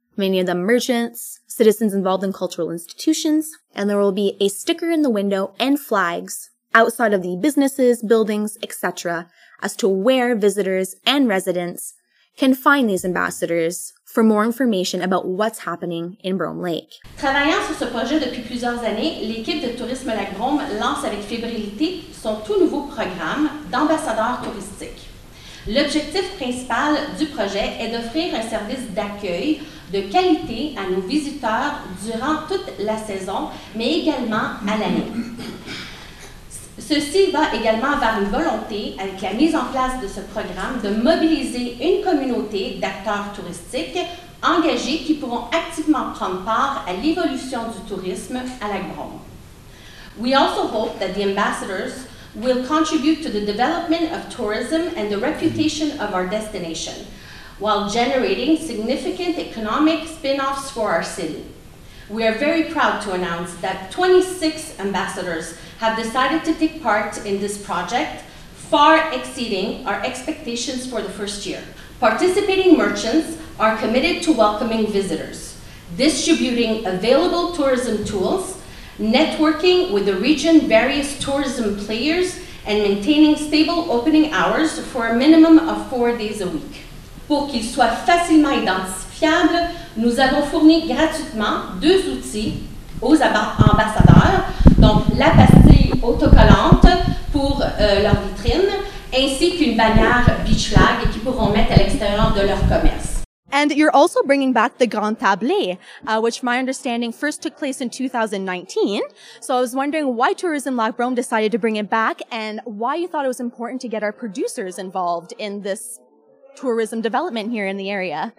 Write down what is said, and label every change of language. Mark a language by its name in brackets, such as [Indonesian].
[English] Many of them merchants, citizens involved in cultural institutions, and there will be a sticker in the window and flags outside of the businesses, buildings, etc., as to where visitors and residents can find these ambassadors for more information about what's happening in Brome Lake. [French] Travaillant sur ce projet depuis plusieurs années, l'équipe de Tourisme Lac Brome lance avec fébrilité son tout nouveau programme d'ambassadeurs touristiques. L'objectif principal du projet est d'offrir un service d'accueil de qualité à nos visiteurs durant toute la saison, mais également à l'année. Ceci va également vers une volonté, avec la mise en place de ce programme, de mobiliser une communauté d'acteurs touristiques engagés qui pourront activement prendre part à l'évolution du tourisme à Lac Brome. [English] We also hope that the ambassadors will contribute to the development of tourism and the reputation of our destination, while generating significant economic spin-offs for our city. We are very proud to announce that 26 ambassadors have decided to take part in this project, far exceeding our expectations for the first year. Participating merchants are committed to welcoming visitors, distributing available tourism tools, networking with the region's various tourism players, and maintaining stable opening hours for a minimum of 4 days a week. [French] Pour qu'ils soient facilement identifiables, nous avons fourni gratuitement deux outils aux ambassadeurs, donc la pastille auto. leur vitrine, ainsi qu'une bannière beach flag qu'ils pourront mettre à l'extérieur de leur commerce. [English] And you're also bringing back the Grand Tablé, which my understanding first took place in 2019. So I was wondering why Tourism La Brome decided to bring it back and why you thought it was important to get our producers involved in this tourism development here in the area.